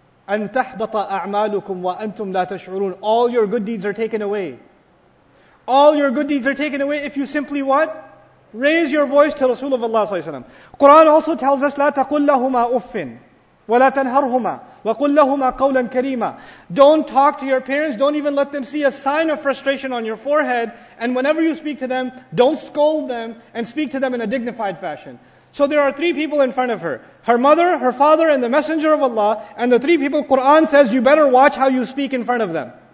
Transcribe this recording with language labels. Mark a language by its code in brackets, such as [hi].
[ar] أن تحبط أعمالكم وأنتم لا تشعرون. [en] All your good deeds are taken away. All your good deeds are taken away if you simply what? Raise your voice to Rasul of Allah sallallahu alayhi wa sallam. Quran also tells us, [ar] لا تقل لهما أفن ولا تنهرهما وقل لهما قولا كريما. [en] Don't talk to your parents, don't even let them see a sign of frustration on your forehead, and whenever you speak to them, don't scold them and speak to them in a dignified fashion. So there are three people in front of her. Her mother, her father, and the Messenger of Allah. And the three people, Quran says, you better watch how you speak in front of them.